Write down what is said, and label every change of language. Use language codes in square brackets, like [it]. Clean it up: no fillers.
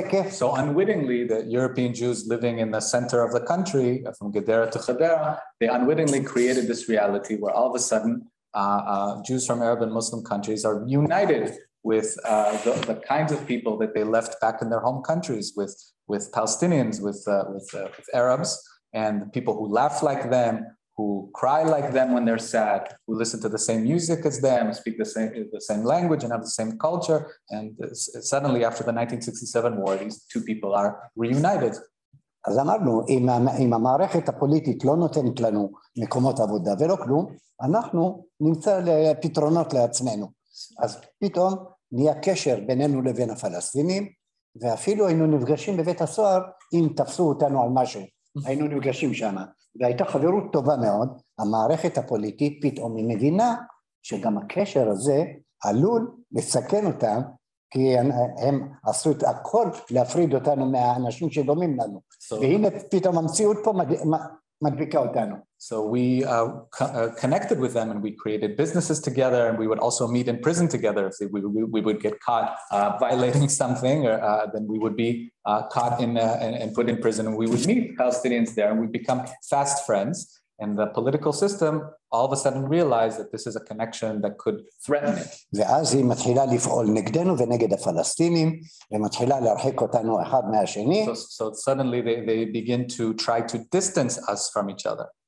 [en] So unwittingly, the European Jews living in the center of the country, from Gedera to Hadera, they unwittingly created this reality where all of a sudden Jews from Arab and Muslim countries are united with the kinds of people that they left back in their home countries, with Palestinians, with Arabs, and the people who laugh like them, who cry like them when they're sad, who listen to the same music as them, speak the same language and have the same culture. And suddenly after the 1967 war, these two people are reunited. [he] אז אמרנו, אם המערכת הפוליטית לא נותנת לנו מקומות עבודה ולא כלום, אנחנו נמצא פתרונות לעצמנו. אז פתאום נהיה קשר בינינו לבין הפלסטינים, ואפילו היינו נפגשים בבית הסוהר אם תפסו אותנו על משהו. היינו נפגשים שם. והייתה חברות טובה מאוד, המערכת הפוליטית פתאום היא מבינה שגם הקשר הזה עלול לסכן אותם, כי הם עשו את הכל להפריד אותנו מהאנשים שדומים לנו. והנה פתאום המציאות פה מדביקה אותנו. [en] So we connected with them, and we created businesses together, and we would also meet in prison together. If we would get caught violating something, or then we would be caught in and put in prison, and we would meet Palestinians there, and we'd become fast friends. And the political system all of a sudden realized that this is a connection that could threaten it. [he] ואז היא מתחילה לפעול נגדנו ונגד הפלסטינים, ומתחילה להרחיק אותנו אחד מהשני. [en] So suddenly they begin to try to distance us from each other.